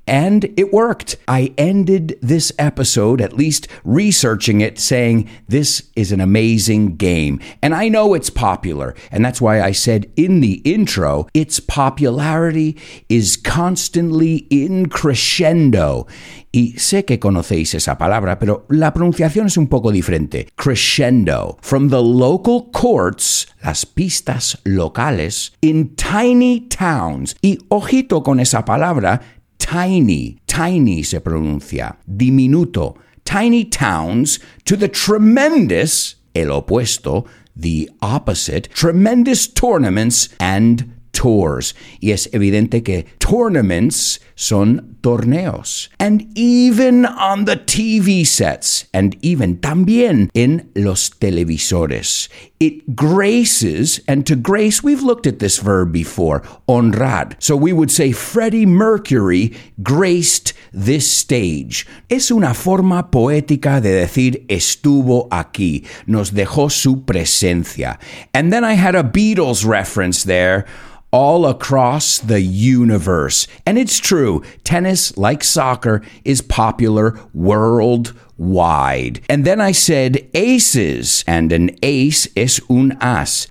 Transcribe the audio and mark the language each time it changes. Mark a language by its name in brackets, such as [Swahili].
[English] And it worked. I ended this episode, at least researching it, saying this is an amazing game. And I know it's popular. And that's why I said in the intro, its popularity is constantly in crescendo. [Spanish] Y sé que conocéis esa palabra, pero la pronunciación es un poco diferente. [English] Crescendo. From the local courts, [Spanish] las pistas locales, [English] in tiny towns. [Spanish] Y ojito con esa palabra, tiny. Tiny se pronuncia. Diminuto. [English] Tiny towns to the tremendous, [Spanish] el opuesto, [English] the opposite, tremendous tournaments and tours. [Spanish] Y es evidente que tournaments son torneos. [English] And even on the TV sets, and even [Spanish] también en los televisores. [English] It graces, and to grace, we've looked at this verb before, honrar. So we would say Freddie Mercury graced this stage. [Spanish] Es una forma poética de decir estuvo aquí, nos dejó su presencia. [English] And then I had a Beatles reference there. All across the universe. And it's true, tennis, like soccer, is popular worldwide. And then I said aces, and an ace [Spanish] es un as.